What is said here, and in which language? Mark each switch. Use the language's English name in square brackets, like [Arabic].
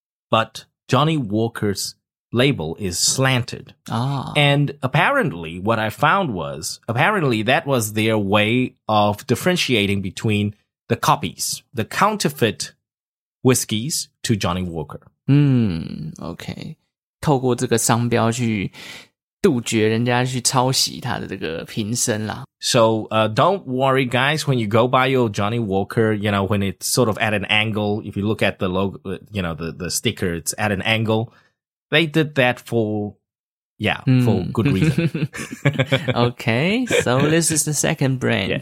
[English] But Johnny Walker's label is slanted. Ah. And apparently, what I found was, apparently that was their way of differentiating between the copies, the counterfeit whiskeys to Johnny Walker. Okay. [Chinese] 透过这个商标去杜绝人家去抄袭他的这个瓶身啦。 [English] So, don't worry, guys, when you go buy your Johnny Walker, you know, when it's sort of at an angle, if you look at the logo, you know, the sticker, it's at an angle. They did that for good reason. Okay, so this is the second brand, yes.